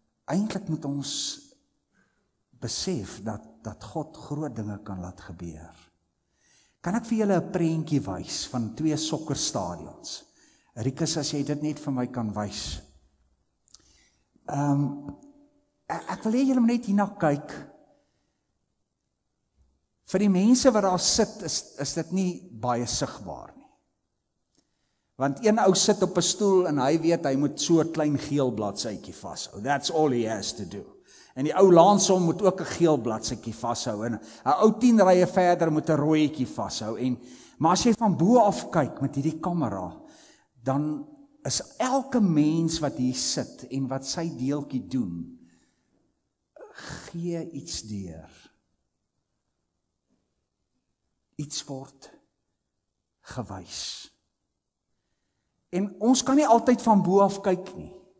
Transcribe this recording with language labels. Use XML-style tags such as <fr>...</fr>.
<af>Eindelijk moet ons besef dat God groot dinge kan laat gebeur. Kan ek vir julle een prentjie wys van twee sokkerstadions? Rikus, as jy dit net vir my kan wys. Ek wil hê julle moet net hierna kyk. Vir die mense wat daar sit, is dit nie baie sigbaar nie. Want een ou sit op een stoel en hy weet, hy moet so'n klein geel bladsykie vasthou.</af> <en>That's all he has to do.</en> <af>En die ou laansom moet ook een geel bladsykie vasthou. En een ou 10 rye verder moet een rooiekie vasthou. Maar as jy van bo af kyk met die camera, dan is elke mens wat hier sit en wat sy deelkie doen, gee iets deur. Iets word gewys. En ons kan nie altyd van bo af kyk nie.</af>